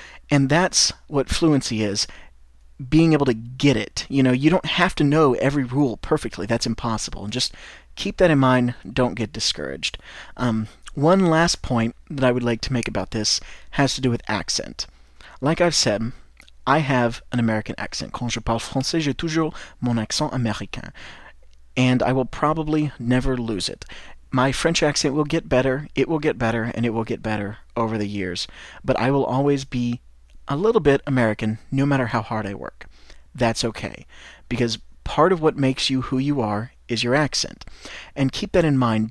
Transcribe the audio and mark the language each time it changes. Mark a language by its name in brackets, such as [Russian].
[English] And that's what fluency is, being able to get it. You know, you don't have to know every rule perfectly. That's impossible. And just keep that in mind. Don't get discouraged. One last point that I would like to make about this has to do with accent. Like I've said, I have an American accent. [French] Quand je parle français, j'ai toujours mon accent américain. [English] And I will probably never lose it. My French accent will get better, it will get better, and it will get better over the years. But I will always be a little bit American, no matter how hard I work. That's okay. Because part of what makes you who you are is your accent. And keep that in mind.